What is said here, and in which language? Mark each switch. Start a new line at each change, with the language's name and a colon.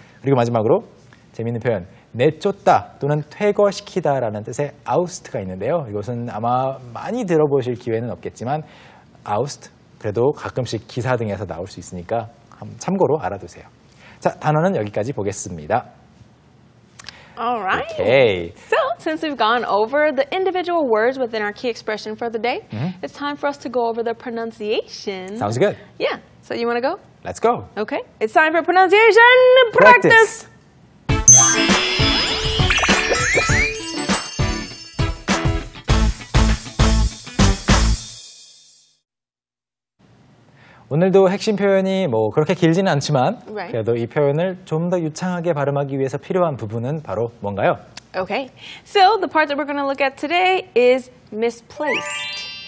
Korean: 그리고 마지막으로 재미있는 표현, 내쫓다 또는 퇴거시키다라는 뜻의 oust가 있는데요. 이것은 아마 많이 들어보실 기회는 없겠지만 oust, 그래도 가끔씩 기사 등에서 나올 수 있으니까 참고로 알아두세요. 자, 단어는 여기까지 보겠습니다.
English: Alright. Okay. So, since we've gone over the individual words within our key expression for the day, mm-hmm. it's time for us to go over the pronunciation. Sounds good. Yeah. So, you want to go? Let's go. Okay. It's time for pronunciation practice. Practice.
Korean: 오늘도 핵심 표현이 뭐 그렇게 길지는 않지만 right. 그래도 이 표현을 좀 더 유창하게 발음하기 위해서 필요한 부분은 바로 뭔가요?
English: Okay. So the part that we're going to look at today is misplaced.